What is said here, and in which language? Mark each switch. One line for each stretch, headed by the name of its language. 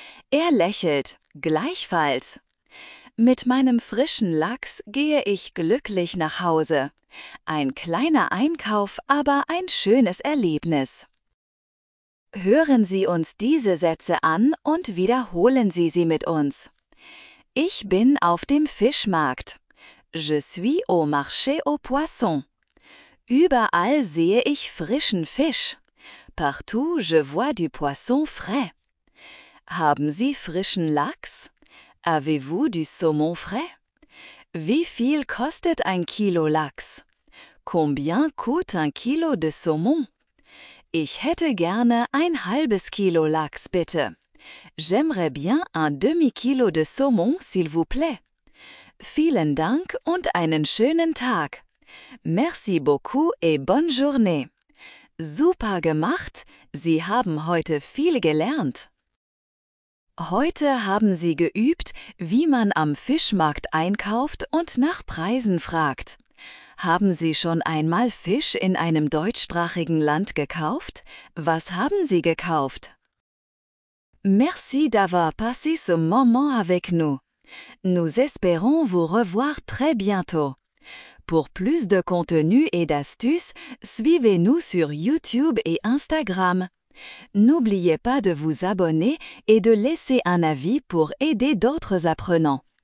German: Er lächelt, gleichfalls. Mit meinem frischen Lachs gehe ich glücklich nach Hause. Ein kleiner Einkauf, aber ein schönes Erlebnis. Hören Sie uns diese Sätze an und wiederholen Sie sie mit uns. Ich bin auf dem Fischmarkt.
French: Je suis au marché aux poissons.
German: Überall sehe ich frischen Fisch.
French: Partout je vois du poisson frais.
German: Haben Sie frischen Lachs?
French: Avez-vous du saumon frais?
German: Wie viel kostet ein Kilo Lachs?
French: Combien coûte un kilo de saumon?
German: Ich hätte gerne ein halbes Kilo Lachs, bitte.
French: J'aimerais bien un demi-kilo de saumon, s'il vous plaît.
German: Vielen Dank und einen schönen Tag.
French: Merci beaucoup et bonne journée.
German: Super gemacht, Sie haben heute viel gelernt. Heute haben Sie geübt, wie man am Fischmarkt einkauft und nach Preisen fragt. Haben Sie schon einmal Fisch in einem deutschsprachigen Land gekauft? Was haben Sie gekauft?
French: Merci d'avoir passé ce moment avec nous. Nous espérons vous revoir très bientôt. Pour plus de contenu et d'astuces, suivez-nous sur YouTube et Instagram. N'oubliez pas de vous abonner et de laisser un avis pour aider d'autres apprenants.